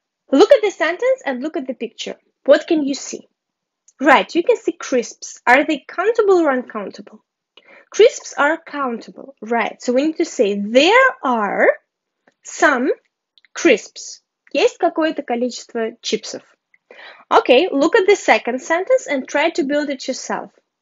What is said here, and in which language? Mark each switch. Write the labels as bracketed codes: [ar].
[en] Look at the sentence and look at the picture. What can you see? Right, you can see crisps. Are they countable or uncountable? Crisps are countable, right. So we need to say, there are some crisps. [ru] Есть какое-то количество чипсов. [en] Okay, look at the second sentence and try to build it yourself.